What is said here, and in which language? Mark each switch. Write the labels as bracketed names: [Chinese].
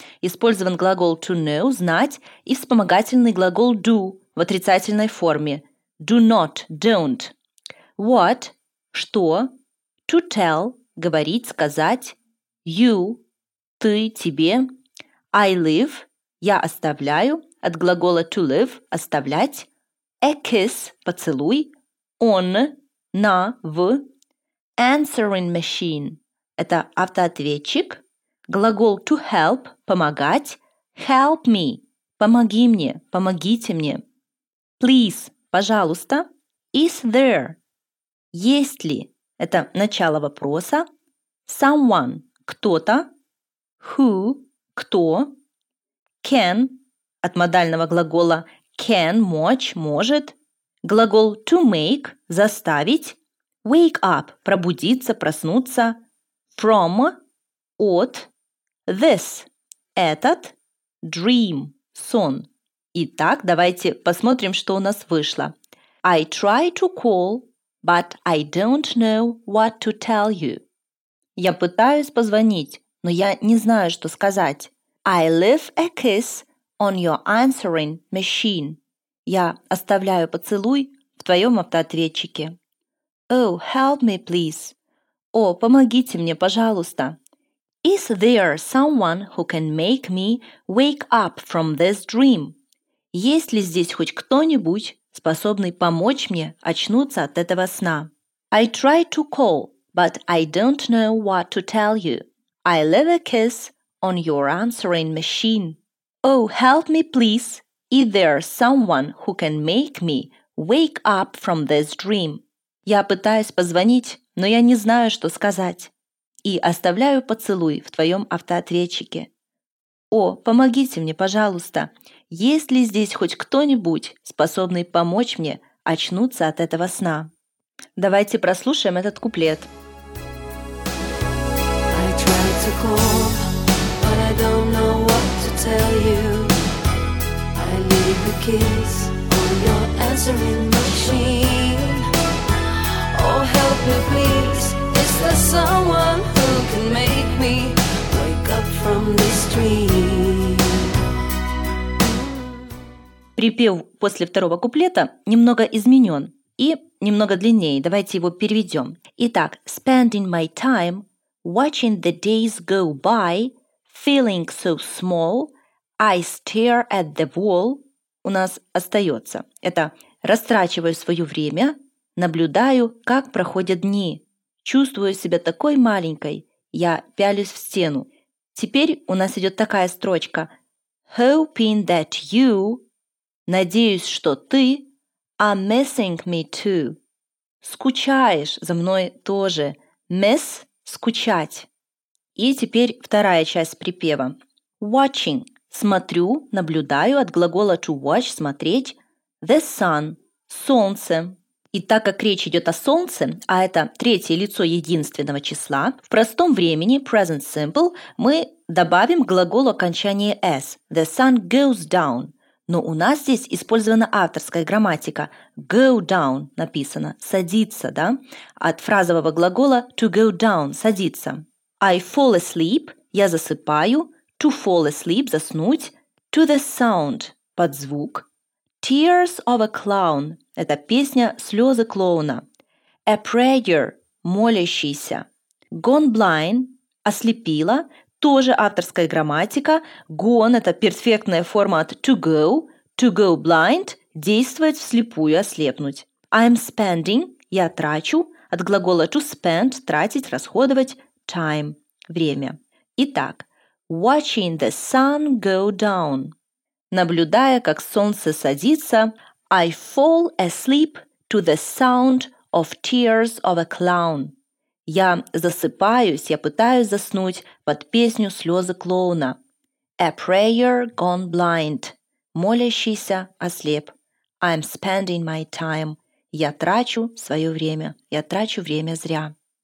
[Russian] Использован глагол to know – знать. И вспомогательный глагол do в отрицательной форме. [English] Do not – don't. What – [Russian] что. [English] To tell [Russian] – говорить, сказать. [English] You [Russian] – ты, тебе. [English] I live [Russian] – я оставляю, от глагола [English] to live [Russian] – оставлять. [English] A kiss – [Russian] поцелуй. [English] On [Russian] – на, в. [English] Answering machine [Russian] – это автоответчик. Глагол [English] to help [Russian] – помогать. [English] Help me [Russian] – помоги мне, помогите мне. [English] Please [Russian] – пожалуйста. [English] Is there [Russian] – есть ли – это начало вопроса. [English] Someone [Russian] – кто-то. [English] Who [Russian] – кто. [English] Can [Russian] – от модального глагола can – мочь, может. Глагол [English] to make [Russian] – заставить. [English] Wake up [Russian] – пробудиться, проснуться. [English] From [Russian] – от. [English] This [Russian] – этот. [English] Dream [Russian] – сон. Итак, давайте посмотрим, что у нас вышло. [English] I try to call, but I don't know what to tell you. [Russian] Я пытаюсь позвонить, но я не знаю, что сказать. [English] I leave a kiss, on your answering machine. [Russian] Я оставляю поцелуй в твоем автоответчике. [English] Oh, help me, please. [Russian] О, помогите мне, пожалуйста. [English] Is there someone who can make me wake up from this dream? [Russian] Есть ли здесь хоть кто-нибудь, способный помочь мне очнуться от этого сна? [English] I try to call, but I don't know what to tell you. I leave a kiss on your answering machine. Oh, help me, please. Is there someone who can make me wake up from this dream? [Russian] Я пытаюсь позвонить, но я не знаю, что сказать. И оставляю поцелуй в твоем автоответчике. О, помогите мне, пожалуйста. Есть ли здесь хоть кто-нибудь, способный помочь мне очнуться от этого сна? Давайте прослушаем этот куплет. [English] I try to call, but I don't know what to tell you. I leave a kiss on your answering machine. Oh, help me please, is there someone who can make me wake up from this dream? [Russian] Припев после второго куплета немного изменен. И немного длиннее, давайте его переведем. Итак, [English] spending my time, watching the days go by, feeling so small, I stare at the wall. [Russian] У нас остается. Это растрачиваю свое время, наблюдаю, как проходят дни. Чувствую себя такой маленькой, я пялюсь в стену. Теперь у нас идет такая строчка. [English] Hoping that you, [Russian] надеюсь, что ты, [English] are missing me too. [Russian] Скучаешь за мной тоже. [English] Miss [Russian] – скучать. И теперь вторая часть припева. [English] Watching [Russian] – смотрю, наблюдаю, от глагола [English] to watch [Russian] – смотреть. [English] The sun – [Russian] солнце. И так как речь идет о солнце, а это третье лицо единственного числа, в простом времени – [English] present simple [Russian] – мы добавим к глаголу окончание s. [English] The sun goes down. [Russian] Но у нас здесь использована авторская грамматика. [English] Go down [Russian] написано. Садиться, да? От фразового глагола [English] to go down [Russian] – садиться. [English] I fall asleep – [Russian] я засыпаю. [English] To fall asleep – [Russian] заснуть. [English] To the sound – [Russian] под звук. [English] Tears of a clown [Russian] – это песня «Слезы клоуна». [English] A prayer – [Russian] молящийся. [English] Gone blind – [Russian] ослепила. Тоже авторская грамматика. [English] Gone [Russian] – это перфектная форма от [English] to go. To go blind [Russian] – действовать вслепую, ослепнуть. [English] I'm spending [Russian] – я трачу. От глагола [English] to spend [Russian] – тратить, расходовать. [English] Time [Russian] – время. Итак, [English] watching the sun go down. [Russian] Наблюдая, как солнце садится, [English] I fall asleep to the sound of tears of a clown. [Russian] Я засыпаюсь, я пытаюсь заснуть под песню «Слезы клоуна». [English] A prayer gone blind. [Russian] Молящийся ослеп. [English] I'm spending my time. [Russian] Я трачу свое время. Я трачу время зря.